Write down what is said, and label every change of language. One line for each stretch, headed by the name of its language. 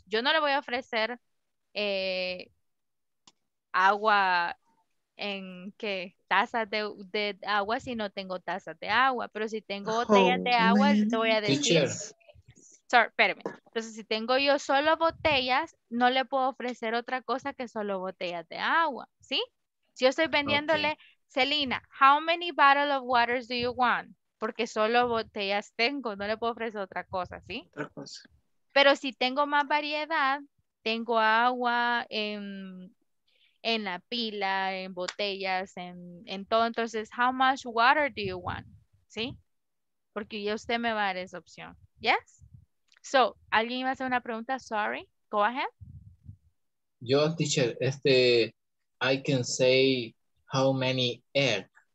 Spanish: Yo no le voy a ofrecer agua en qué tazas de agua si no tengo tazas de agua. Pero si tengo botellas de agua, te voy a decir... Sorry, espérame. Entonces, si tengo yo solo botellas, no le puedo ofrecer otra cosa que solo botellas de agua, ¿sí? Si yo estoy vendiéndole, okay.
English: Selena, how many bottles of water do you want?
Spanish: Porque solo botellas tengo, no le puedo ofrecer otra cosa, ¿sí? Otra cosa. Pero si tengo más variedad, tengo agua en la pila, en botellas, en todo, entonces,
English: how much water do you want?
Spanish: ¿Sí? Porque ya usted me va a dar esa opción, ¿yes? So, ¿alguien iba a hacer una pregunta? Sorry.
English: Go ahead. Yo, teacher, I can say how many eggs.